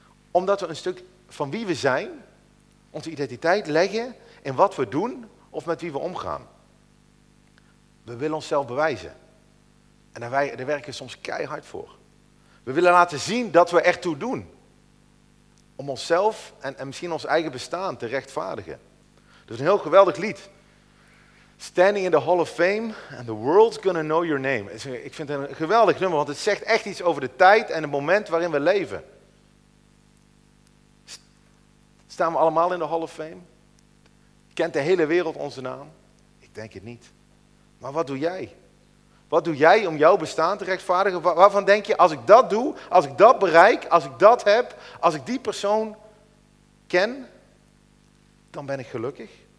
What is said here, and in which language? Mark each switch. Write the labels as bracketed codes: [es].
[nl] Omdat we een stuk van wie we zijn, onze identiteit leggen in wat we doen of met wie we omgaan. We willen onszelf bewijzen. En daar werken we soms keihard voor. We willen laten zien dat we ertoe doen. Om onszelf en misschien ons eigen bestaan te rechtvaardigen. Dus een heel geweldig lied. [en] Standing in the Hall of Fame and the world's gonna know your name. [nl] Ik vind het een geweldig nummer, want het zegt echt iets over de tijd en het moment waarin we leven. Staan we allemaal in de Hall of Fame? Kent de hele wereld onze naam? Ik denk het niet. Maar wat doe jij? Wat doe jij om jouw bestaan te rechtvaardigen? Waarvan denk je, als ik dat doe, als ik dat bereik, als ik dat heb, als ik die persoon ken, dan ben ik gelukkig.